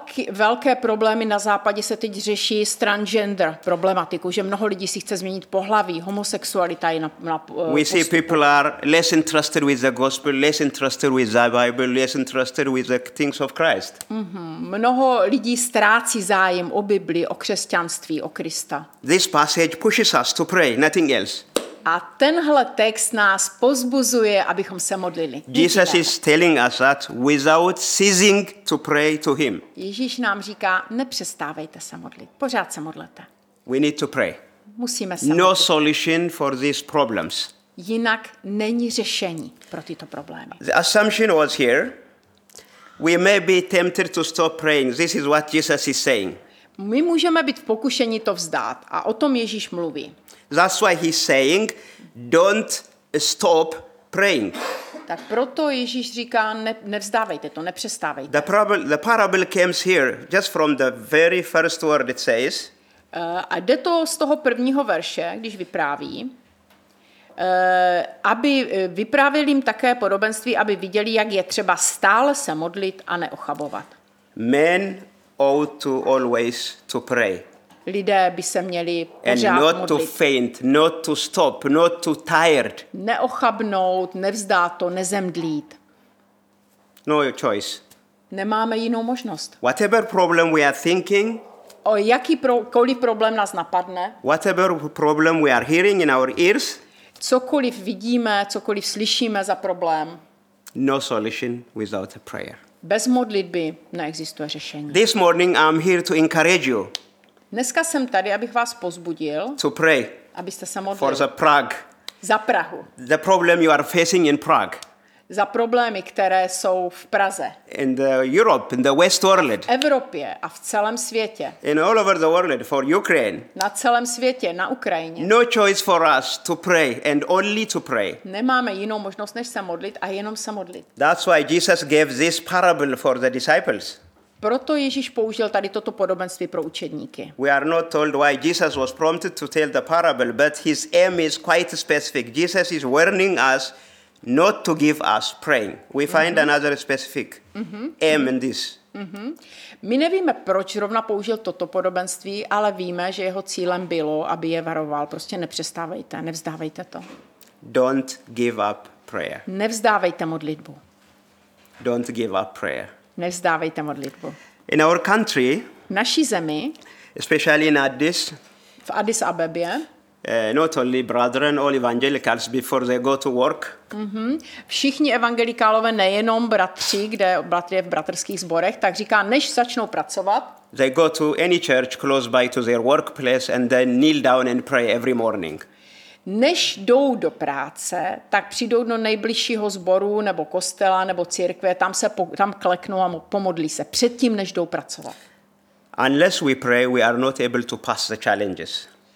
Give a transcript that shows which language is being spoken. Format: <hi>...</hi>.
<cs>Velké problémy na západě se teď řeší s transgender problematiku, že mnoho lidí si chce změnit pohlaví, homosexualita je na We see postupu.</cs> <en>People are less interested with the gospel, less interested with the Bible, less interested with the things of Christ. Mm-hmm.</en> <cs>Mnoho lidí ztrácí zájem o Bibli, o křesťanství, o Krista.</cs> <en>This passage pushes us to pray, nothing else.</en> <cs>A tenhle text nás pozbuzuje, abychom se modlili.</cs> <en>Jesus is telling us that without ceasing to pray to him.</en> <cs>Ježíš nám říká, nepřestávejte se modlit, pořád se modlete.</cs> <en>We need to pray.</en> <cs>Musíme se no modlit.</cs> <en>No solution for these problems.</en> <cs>Jinak není řešení pro tyto problémy.</cs> <en>The assumption was here, we may be tempted to stop praying. This is what Jesus is saying.</en> <cs>My můžeme být pokušeni to vzdát a o tom Ježíš mluví.</cs> <en>That's why he's saying, don't stop praying.</en> <cs>Tak proto Ježíš říká, nevzdávejte to, nepřestávejte.</cs> <en>The parable comes here, just from the very first word it says.</en> <cs>A jde to z toho prvního verše, když vypráví, aby vyprávěl jim také podobenství, aby viděli, jak je třeba stále se modlit a neochabovat.</cs> <en>Men ought to always to pray.</en> <cs>Lidé by se měli pořád modlit.</cs> <en>And not to faint, not to stop, not to tired.</en> <cs>Neochabnout, nevzdát to, nezemdlít.</cs> <en>No choice.</en> <cs>Nemáme jinou možnost.</cs> <en>Whatever problem we are thinking.</en> <cs>O jaký koliv problém nás napadne.</cs> <en>Whatever problem we are hearing in our ears.</en> <cs>Cokoliv vidíme, cokoliv slyšíme za problém.</cs> <en>No solution without a prayer.</en> <cs>Bez modlitby neexistuje řešení.</cs> <en>This morning I'm here to encourage you.</en> <cs>Dneska jsem tady, abych vás pozbudil.</cs> <en>To pray.</en> <cs>Abyste se modlili.</cs> <en>For the Prague.</en> <cs>Za Prahu.</cs> <en>The problem you are facing in Prague.</en> <cs>Za problémy, které jsou v Praze.</cs> <en>In the Europe, in the West world.</en> <cs>V Evropě a v celém světě.</cs> <en>In all over the world for Ukraine.</en> <cs>Na celém světě, na Ukrajině.</cs> <en>No choice for us to pray and only to pray.</en> <cs>Nemáme jinou možnost než se modlit a jenom se modlit.</cs> <en>That's why Jesus gave this parable for the disciples.</en> <cs>Proto Ježíš použil tady toto podobenství pro učedníky.</cs> <en>We are not told why Jesus was prompted to tell the parable, but his aim is quite specific. Jesus is warning us not to give us praying. We find another specific aim in this.</en> <cs>My nevíme, proč zrovna použil toto podobenství, ale víme, že jeho cílem bylo, aby je varoval. Prostě nepřestávejte, nevzdávejte to.</cs> <en>Don't give up prayer.</en> <cs>Nevzdávejte modlitbu.</cs> <en>Don't give up prayer.</en> <cs>Nevzdávejte modlitbu.</cs> <en>In our country,</en> <cs>v naší zemi,</cs> <en>especially in Addis,</en> <cs>v Addis Abebě,</cs> <en>not only brethren, all evangelicals before they go to work.</en> <cs>Všichni evangelikálové, nejenom bratři, kde bratr je v bratrských sborech, tak říká, než začnou pracovat,</cs> <en>they go to any church close by to their workplace and then kneel down and pray every morning.</en> <cs>Než jdou do práce, tak přijdou do nejbližšího sboru nebo kostela nebo církve, tam kleknou a pomodlí se předtím, než jdou pracovat.</cs> <en>Unless we pray, we are not able to pass the challenges.</en>